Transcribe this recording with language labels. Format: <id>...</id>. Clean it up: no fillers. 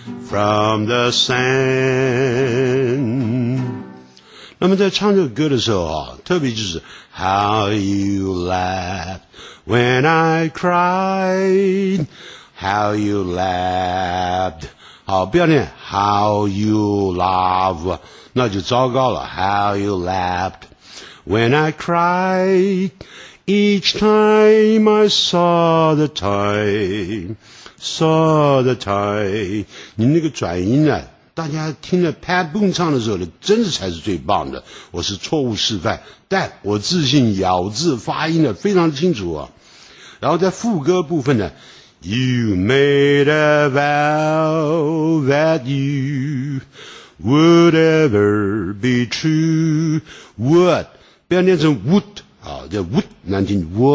<en>from the sand。</en> <zh>那么在唱这个歌的时候啊，特别就是</zh> <en>How you laughed when I cried, How you laughed。</en> <zh>好，不要念</zh> <en>How you laugh,</en> <zh>那就糟糕了。</zh> <en>How you laughed when I cried, Each time I saw the time, Saw the time。</en> <zh>你那个转音呢，大家听了 Pat Boone 唱的时候呢，真的才是最棒的。我是错误示范，但我自信咬字发音的非常清楚啊。然后在副歌部分呢，</zh> <en>You made a vow that you would ever be true. What?</en> <zh>不要念成 would, 好，这 would 难听。</zh>